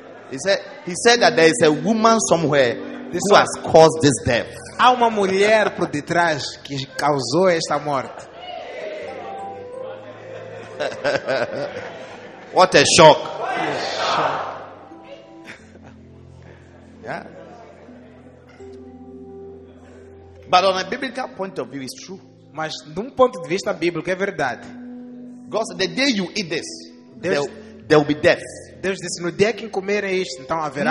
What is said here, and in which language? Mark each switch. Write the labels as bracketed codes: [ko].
[en] He said that there is a woman somewhere this who has caused this death. [pt] Há uma mulher por detrás que causou esta morte. [en] What a shock. Yeah. But on a biblical point of view, it's true. [pt] Mas num ponto de vista bíblico, é verdade. [en] God said, the day you eat this, there will be death. [pt] Deus disse, no dia que comerem isto, então haverá